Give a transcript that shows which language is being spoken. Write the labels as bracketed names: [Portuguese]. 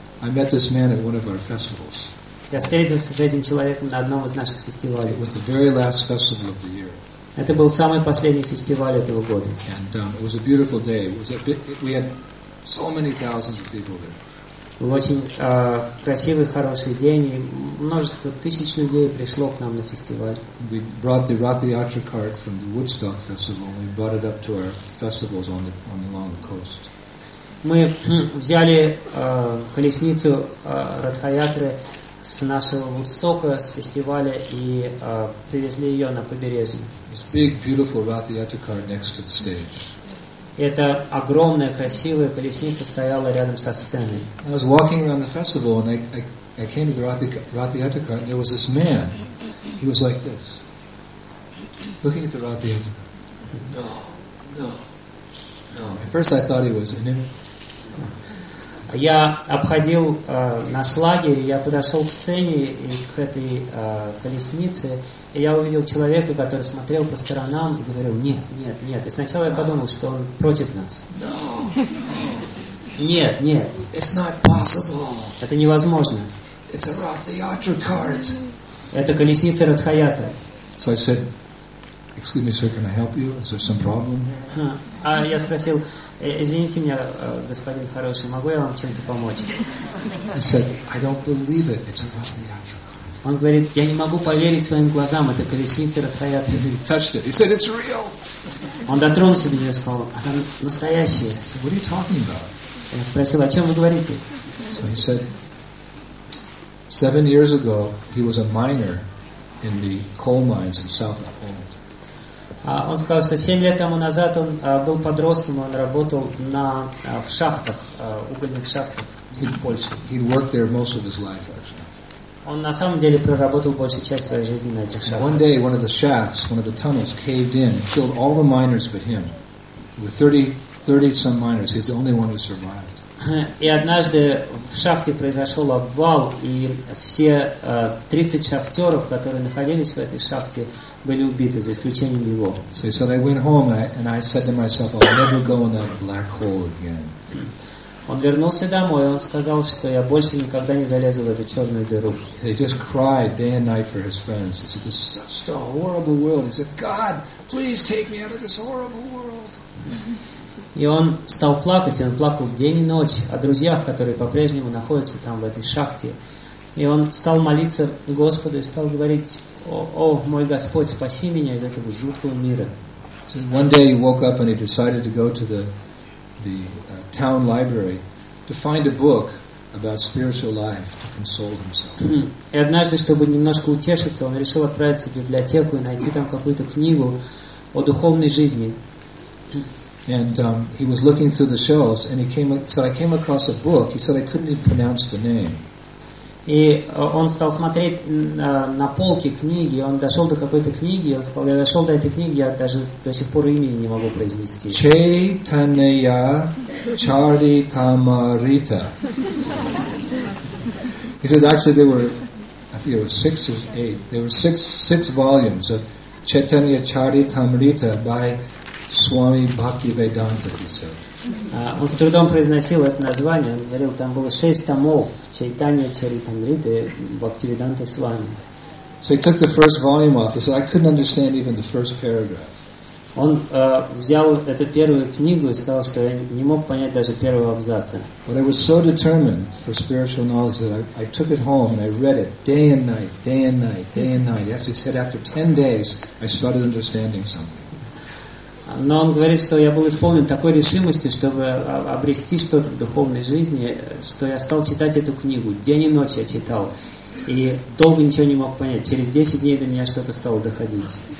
[English] I met this man at one of our festivals. [Russian] Я встретился с этим человеком на одном из наших фестивалей. [English] It was the very last festival of the year. [Russian] Это был самый последний фестиваль этого года. [English] And it was a beautiful day. We had so many thousands of people there. [Russian] Был очень красивый, хороший день, и множество тысяч людей пришло к нам на фестиваль. [English] We brought the Rath Yatra cart from the Woodstock festival, and we brought it up to our festivals on along the coast. [Russian] Мы взяли колесницу Ратха Ятры с нашего Вудстока, с фестиваля, и привезли ее на побережье. [English] This big, beautiful Rath Yatra cart next to the stage. [Russian] Эта огромная, красивая колесница стояла рядом со сценой. [English] I was walking around the festival and I came to the Rath Yatra cart and there was this man. He was like this. Looking at the Rath Yatra cart. No. At first I thought he was in him. [Russian] Я обходил наш лагерь, я подошел к сцене и к этой колеснице, и я увидел человека, который смотрел по сторонам и говорил, нет. И сначала я подумал, что он против нас. [English] No. [Russian] Нет. [English] It's not possible. [Russian] Это невозможно. [English] It's a Rath Yatra cart. [Russian] Это колесница Ратха Ятры. [English] So I said, excuse me, sir, can I help you? Is there some problem? [Russian] Я спросил, извините меня, господин хороший, могу я вам чем-то помочь? [English] He said, I don't believe it. It's a Rath Yatra cart. [Russian] Он говорит, я не могу поверить своим глазам, это колесница Ратха Ятры. [English] He touched it. He said, it's real. [Russian] Он дотронулся до нее и сказал, она настоящая. [English] So what are you talking about? [Russian] Я спросил, о чем вы говорите? [English] So he said, 7 years ago, he was a miner in the coal mines in South Poland. [Russian] Он сказал, что 7 лет тому назад он был подростком, он работал в шахтах, угольных шахтах в Польше. [English] He'd worked there most of his life, actually. [Russian] Он на самом деле проработал большую часть своей жизни на этих шахтах. [English] One day, one of the shafts, one of the tunnels caved in, killed all the miners but him. There were 30-some miners. He's the only one who survived. [Russian] И однажды в шахте произошел обвал, и все 30 шахтеров, которые находились в этой шахте, были убиты, за исключением его. [English] So he said, I went home and I said to myself, I'll never go in that black hole again. [Russian] Он вернулся домой, и он сказал, что я больше никогда не залезу в эту черную дыру. [English] He said, he just cried day and night for his friends. He said, this is such a horrible world. He said, God, please take me out of this horrible world. [Russian] И он стал плакать, и он плакал день и ночь о друзьях, которые по-прежнему находятся там, в этой шахте. И он стал молиться Господу и стал говорить, О, мой Господь, спаси меня из этого жуткого мира. [English] One day he woke up and he decided to go to the town library to find a book about spiritual life to console himself. [Russian] И однажды, чтобы немножко утешиться, он решил отправиться в библиотеку и найти там какую-то книгу о духовной жизни. [English] And he was looking through the shelves, and I came across a book. He said I couldn't even pronounce the name. [Russian] И он стал смотреть на полке книги. Он дошел до какой-то книги. Он сказал, я дошел до этой книги, я даже до сих пор имени не могу произнести. Чайтанья Чаритамарита. [English] He said actually there were, I think it was six or eight. There were six volumes of Чайтанья Чаритамарита by Swami Bhaktivedanta, he said. [Russian] Он с трудом произносил это название. Он говорил, там было шесть томов Чайтанья Чаритамриты Бхактивиданта Свами. [English] So he took the first volume off. He said, I couldn't understand even the first paragraph. [Russian] Он взял эту первую книгу и сказал, что я не мог понять даже первого абзаца. [English] But I was so determined for spiritual knowledge that I took it home and I read it day and night, day and night, day and night. He actually said, after 10 days, I started understanding something. [Russian] Но он говорит, что я был исполнен такой решимости, чтобы обрести что-то в духовной жизни, что я стал читать эту книгу. День и ночь я читал. И долго ничего не мог понять. Через 10 дней до меня что-то стало доходить.